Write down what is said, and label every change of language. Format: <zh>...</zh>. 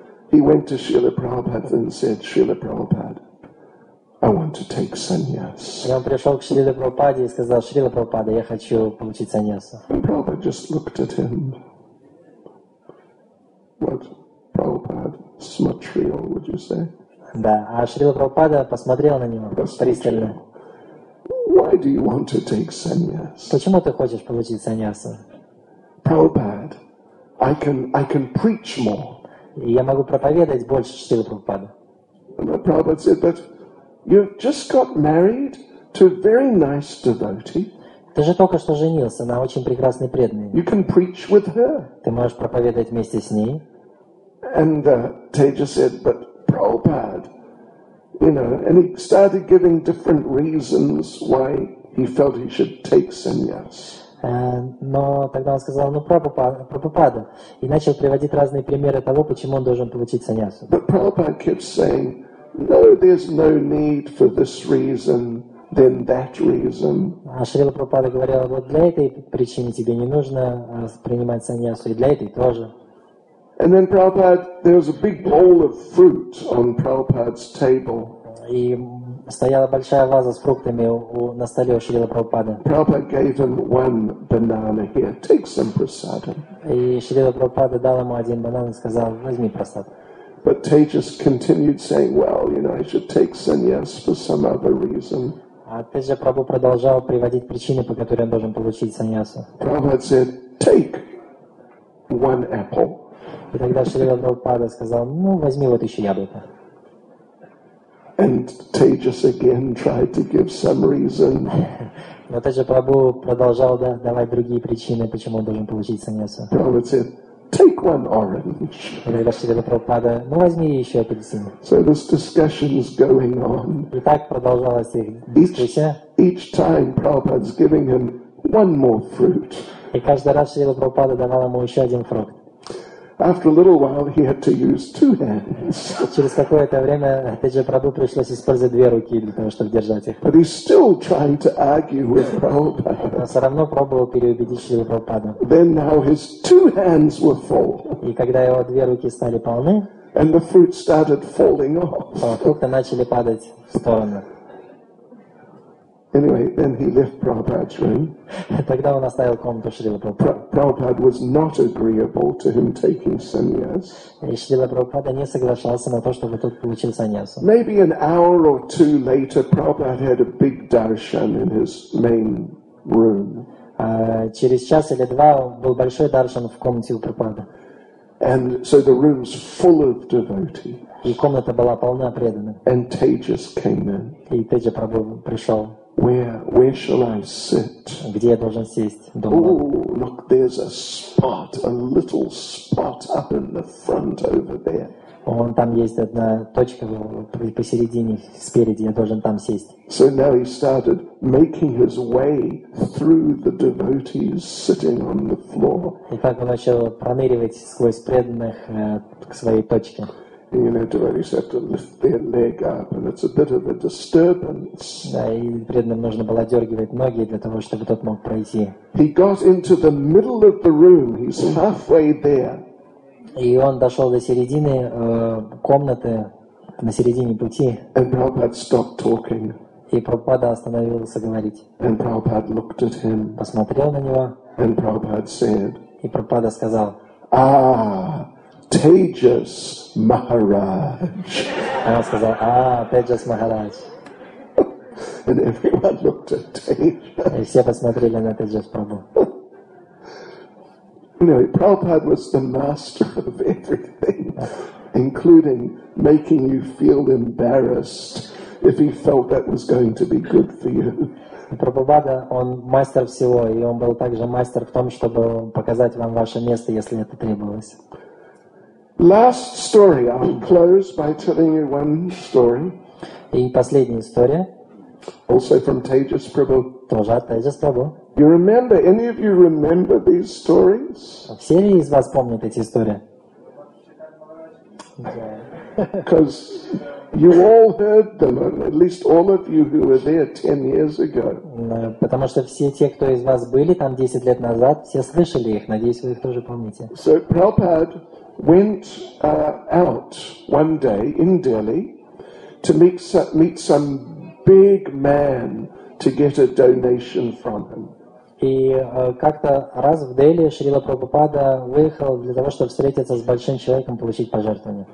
<en>He went to Srila Prabhupada and said, Srila Prabhupada, I want to take sannyas.</en> <ru>И он пришел к Шриле Прабхупаде и сказал: Шрила Прабхупада, я хочу получить саньясу.</ru> <en>And Prabhupada just looked at him. What, Prabhupada, smatrio, would you say?</en> <ru>Да, а Шрила Прабхупада посмотрел на него пристально.</ru> <en>Why do you want to take sannyas?</en> <ru>Почему ты хочешь получить саньясу?</ru> <en>Prabhupada, I can preach more.</en> <ru>И я могу проповедовать больше, Шрила Прабхупада.</ru> <en>And Prabhupada said that. You've just got married to a very nice devotee.</en> <ru>Ты же только что женился на очень прекрасной преданной.</ru> <en>You can preach with her.</en> <ru>Ты можешь проповедовать вместе с ней.</ru> <en>And Teja said, but Prabhupada, you know, and he started giving different reasons why he felt he should take sannyas.</en> <ru>Но тогда он сказал, ну, Прабхупада, и начал приводить разные примеры того, почему он должен получить саньясу.</ru> <en>But Prabhupada kept saying, no, there's no need for this reason, then that reason.</en> <ru>А Шрила Прабхупада говорил, вот для этой причины тебе не нужно принимать саньясу, и для этой тоже.</ru> <en>And then Prabhupada, there was a big bowl of fruit on Prabhupada's table.</en> <ru>И стояла большая ваза с фруктами на столе у Шрилы Прабхупады.</ru> <en>Prabhupada gave him one banana here. Take some prasadam.</en> <ru>И Шрила Прабхупада дал ему один банан и сказал, возьми прасад.</ru> <en>But Tejas continued saying, well, you know, I should take sannyas for some other reason.</en> <ru>А Теджа Прабху продолжал приводить причины, по которым он должен получить саньясу.</ru> <en>Prabhupada said, take one apple.</en> <ru>И тогда Шрила Прабхупада сказал, ну, возьми вот еще яблоко.</ru> <en>And Tejas again tried to give some reason.</en> <ru>Но Теджа Прабху продолжал давать другие причины, почему он должен получить саньясу.</ru> <en>Prabhupada said, take one orange.</en> <ru>Когда Шрила Прабхупада, ну возьми еще апельсин.</ru> <en>So this discussion is going on.</en> <ru>И так продолжалась их дискуссия.</ru> <en>Each time Prabhupada's giving him one more fruit.</en> <ru>И каждый раз Шрила Прабхупада давал ему еще один фрукт.</ru> <en>After a little while, he had to use two hands.</en> <ru>Через какое-то время Теджа Прабху пришлось использовать две руки для того, чтобы держать их.</ru> <en>But he's still trying to argue with Prabhupada.</en> <ru>Но все равно пробовал переубедить Шрилу Прабхупаду.</ru> <en>Then now his two hands were full.</en> <ru>И когда его две руки стали полны,</ru> <en>and the fruit started falling off.</en> <ru>Фрукты начали падать в сторону.</ru> <en>Anyway, then he left Prabhupada's room.</en> <ru>Тогда он оставил комнату Шрилы Прабхупады.</ru> <en>Prabhupada was not agreeable to him taking sannyas.</en> <ru>Шрила Прабхупада не соглашался на то, чтобы тот получил саньясу.</ru> <en>Maybe an hour or two later, Prabhupada had a big darshan in his main room.</en> <ru>Через час или два был большой даршан в комнате у Прабхупады.</ru> <en>And so the room's full of devotees.</en> <ru>И комната была полна преданных.</ru> <en>And Tejas came in.</en> <ru>И Теджа Прабху пришел.</ru> <en>Where shall I sit?</en> <ru>Где я должен сесть?</ru> <en>Oh, look, there's a spot, a little spot up in the front over there.</en> <ru>Вон там есть одна точка посередине, спереди, я должен там сесть.</ru> <en>So now he started making his way through the devotees sitting on the floor.</en> <ru>И так он начал проныривать сквозь преданных к своей точке.</ru> <en>You know, devotees have to lift their leg up, and it's a bit of a disturbance.</en> <ru>Да, и преданным нужно было дергивать ноги для того, чтобы тот мог пройти.</ru> <en>He got into the middle of the room. He's halfway there.</en> <ru>И он дошел до середины комнаты, на середине пути.</ru> <en>And Prabhupada stopped talking.</en> <ru>И Прабхупада остановился говорить.</ru> <en>And Prabhupada looked at him.</en> <ru>Посмотрел на него.</ru> <en>And Prabhupada said.</en> <ru>И Прабхупада сказал.</ru> <en>Ah, Tejas Maharaj.</en> <ru>Она сказала, а, Tejas Maharaj.</ru> <en>And everyone looked at Tejas.</en> <ru>И все посмотрели на Tejas Prabhu.</ru> <en>Anyway, you know, Prabhupada was the master of everything, including making you feel embarrassed if he felt that was going to be good for you.</en> <ru>Прабхупада, он мастер всего, и он был также мастер в том, чтобы показать вам ваше место, если это требовалось.</ru> <en>Last story. I'll close by telling you one story.</en> <ru>И последняя история.</ru> <en>Also from Tejas Prabhu.</en> <ru>Тоже от Tejas Prabhu.</ru> <en>You remember? Any of you remember these stories?</en> <ru>Все ли из вас помнят эти истории?</ru> <en>Because you all heard them, at least all of you who were there 10 years ago.</en> <ru>Потому что все те, кто из вас были там 10 лет назад, все слышали их. Надеюсь, вы их тоже помните.</ru> <en>So Prabhupada went out one day in Delhi to meet some big man to get a donation from him.</en> <ru>И как-то раз в Дели Шрила Прабхупада выехал для того, чтобы встретиться с большим человеком, получить пожертвование.</ru>